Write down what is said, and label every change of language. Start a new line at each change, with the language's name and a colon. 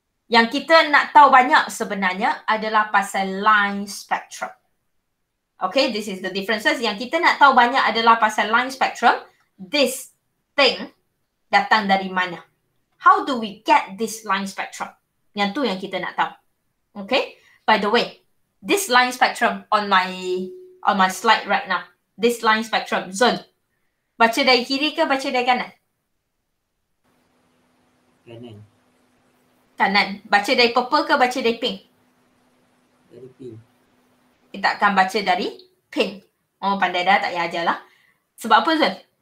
Malay: Yang kita nak tahu banyak sebenarnya adalah pasal line spectrum.
English: Okay, this is the differences.
Malay: Yang kita nak tahu banyak adalah pasal line spectrum.
English: This thing
Malay: datang dari mana?
English: How do we get this line spectrum?
Malay: Yang tu yang kita nak tahu.
English: Okay, by the way, this line spectrum on my slide right now. This line spectrum, Zun.
Malay: Baca dari kiri ke baca dari kanan? Kanan. Kanan. Baca dari purple ke baca dari pink? Dari pink. Kita akan baca dari pink. Oh, pandai dah, tak payah ajar lah. Sebab apa, Zun?